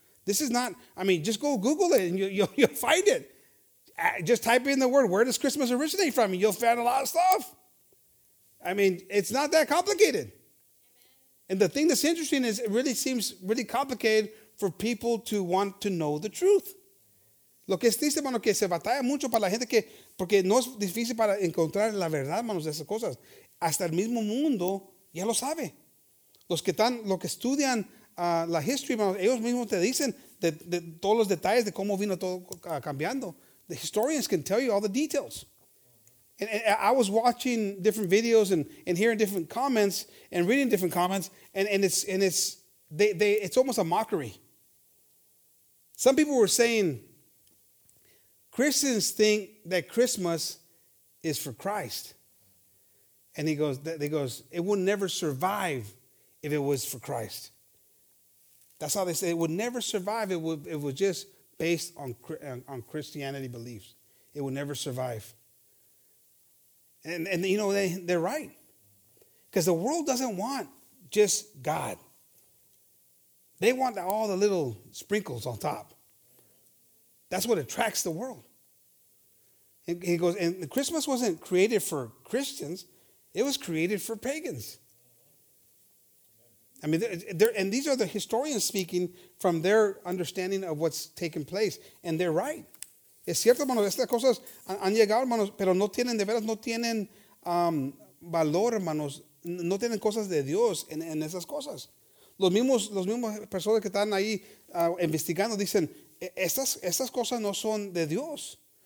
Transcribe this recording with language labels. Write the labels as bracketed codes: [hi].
[en] This is not, I mean, just go Google it and you'll find it. Just type in the word, where does Christmas originate from? You'll find a lot of stuff. I mean, it's not that complicated. Amen. And the thing that's interesting is it really seems really complicated for people to want to know the truth. [es] Lo que es triste, hermano, que se batalla mucho para la gente que, porque no es difícil para encontrar la verdad, hermanos, de esas cosas. Hasta el mismo mundo ya lo sabe. Los que estudian la history, hermanos, ellos mismos te dicen de todos los detalles de cómo vino todo cambiando. [en] The historians can tell you all the details. And I was watching different videos and hearing different comments and reading different comments, and it's almost a mockery. Some people were saying, Christians think that Christmas is for Christ. And he goes, it would never survive if it was for Christ. That's how they say it would never survive. It was just based on Christianity beliefs. It would never survive. And you know, they're right. Because the world doesn't want just God. They want all the little sprinkles on top. That's what attracts the world. He goes, and Christmas wasn't created for Christians. It was created for pagans. I mean, and these are the historians speaking from their understanding of what's taking place. And they're right. [es] Es cierto, hermanos, estas cosas han llegado, hermanos, pero no tienen, de veras, no tienen valor, hermanos. No tienen cosas de Dios en esas cosas. Los mismos personas que están ahí investigando dicen, estas cosas no son de Dios.